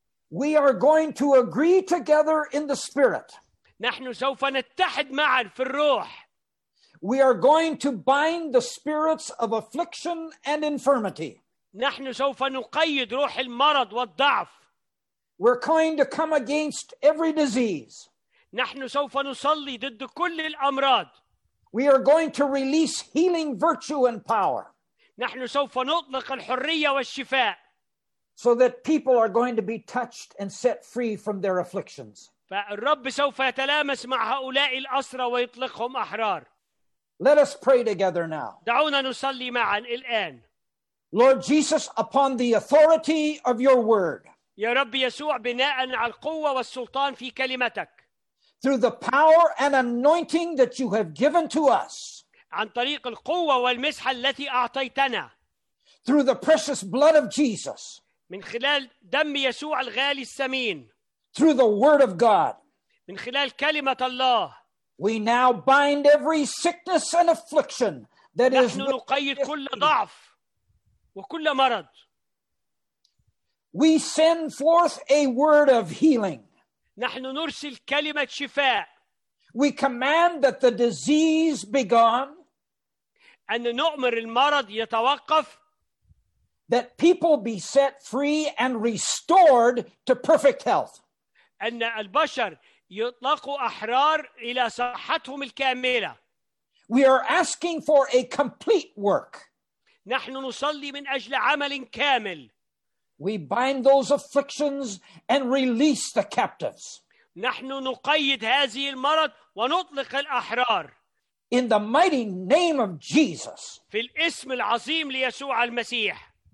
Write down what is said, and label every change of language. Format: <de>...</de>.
<en>We are going to agree together in the spirit.</en> <ar>نحن سوف نتحد معا في الروح.</ar> <en>We are going to bind the spirits of affliction and infirmity.</en> <ar>نحن سوف نقيد روح المرض والضعف.</ar> <en>We're going to come against every disease.</en> <ar>نحن سوف نصلي ضد كل الأمراض.</ar> <en>We are going to release healing virtue and power.</en> <ar>نحن سوف نطلق الحرية والشفاء.</ar> <en>So that people are going to be touched and set free from their afflictions.</en> <ar>فالرب سوف يتلامس مع هؤلاء الأسرى ويطلقهم أحرار.</ar> <en>Let us pray together now.</en> <ar>دعونا نصلي معا الآن.</ar> <en>Lord Jesus, upon the authority of your word.</en> <ar>يا رب يسوع بناء على القوة والسلطان في كلمتك.</ar> <en>Through the power and anointing that you have given to us.</en> <ar>عن طريق القوة والمسحة التي أعطيتنا.</ar> <en>Through the precious blood of Jesus.</en> <ar>من خلال دم يسوع الغالي الثمين.</ar> <en>Through the word of God.</en> <ar>من خلال كلمة الله.</ar> <en>We now bind every sickness and affliction that is.</en> <ar>نحن نقيد كل ضعف وكل مرض.</ar> <en>We send forth a word of healing.</en> <ar>نحن نرسل كلمة شفاء.</ar> <en>We command that the disease be gone.</en> <ar>أن نؤمر المرض يتوقف.</ar> <en>That people be set free and restored to perfect health.</en> <ar>أن البشر يطلقوا أحرار إلى صحتهم الكاملة.</ar> <en>We are asking for a complete work.</en> <ar>نحن نصلي من أجل عمل كامل.</ar> <en>We bind those afflictions and release the captives.</en> <ar>نحن نقيد هذه المرض ونطلق الأحرار.</ar> <en>In the mighty name of Jesus.</en> <ar>في الاسم العظيم ليسوع المسيح.</ar>